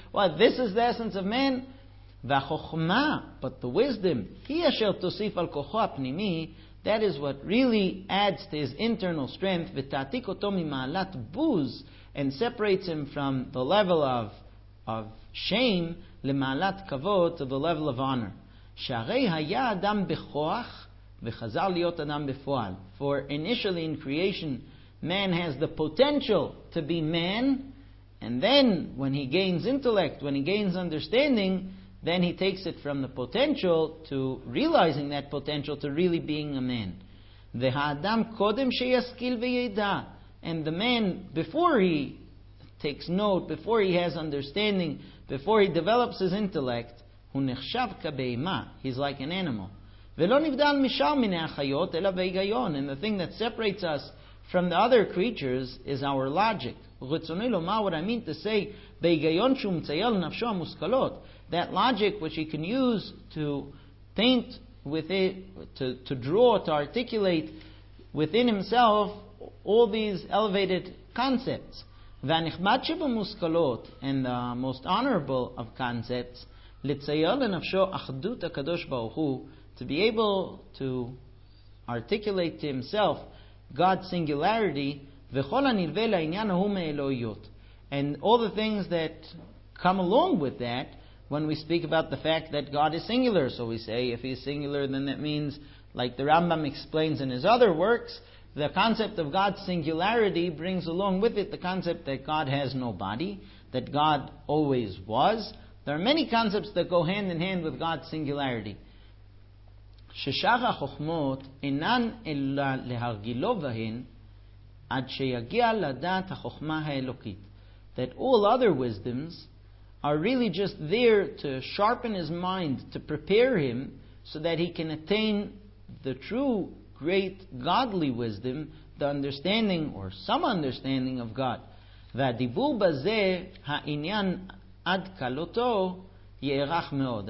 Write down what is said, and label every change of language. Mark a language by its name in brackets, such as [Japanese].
[English] Well, this is the essence of man. [Hebrew] V'achochmah, [English] but the wisdom, [Hebrew] ki asher tosif al kocho apnimi, [English] that is what really adds to his internal strength, [Hebrew] v'tatik oto mima'alat buz, [English] and separates him from the level of of shame [Hebrew] למעלת כבוד, [English] to the level of honor. [Hebrew] שהרי היה אדם בכוח וחזר להיות אדם בפועל. [English] For initially in creation, man has the potential to be man, and then when he gains intellect, when he gains understanding, then he takes it from the potential to realizing that potential to really being a man. [Hebrew] והאדם קודם שישכיל וידע. [English] And the man, before he takes note, before he has understanding, before he develops his intellect, [Hebrew] הוא נחשב כבהמה. [English] He's like an animal. [Hebrew] ולא נבדל משאר מיני החיות, אלא בהיגיון. [English] And the thing that separates us from the other creatures is our logic. [Hebrew] רצוני לומר, [English] what I mean to say, [Hebrew] בהיגיון שהוא מצייר לנפשו המושכלות, [English] that logic which he can use to paint with it, to draw, to articulate within himself all these elevated concepts. [Hebrew] והנחמד שבמושכלות, [English] and the most honorable of concepts, [Hebrew] לצייר לנפשו אחדות הקדוש ברוך הוא, [English] to be able to articulate to himself God's singularity, [Hebrew] וכל הנלווה לעניין ההוא מאלוהיות. [English] And all the things that come along with that, when we speak about the fact that God is singular, so we say, if He is singular, then that means, like the Rambam explains in his other works, the concept of God's singularity brings along with it the concept that God has no body, that God always was. There are many concepts that go hand in hand with God's singularity. [Hebrew] ששאר החוכמות אינן אלא להרגילו בהן עד שיגיע לדעת החוכמה האלוקית. [English] That all other wisdoms are really just there to sharpen his mind, to prepare him so that he can attain the true great godly wisdom, the understanding or some understanding of God. [Hebrew] והדיבור בזה העניין עד קלותו יארך מאוד.